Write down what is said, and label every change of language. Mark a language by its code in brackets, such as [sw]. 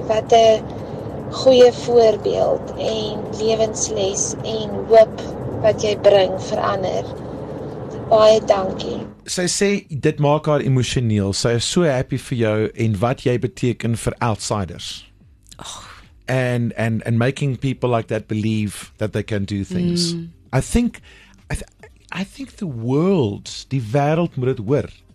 [af] Wat 'n goeie voorbeeld en lewensles en hoop wat jy bring vir ander. Baie dankie. Sy sê dit maak haar emosioneel. Sy is so happy vir jou en wat jy beteken vir outsiders. [en] And making people like that believe that they can do things. Mm. I think the world, [af] die wêreld moet dit hoor.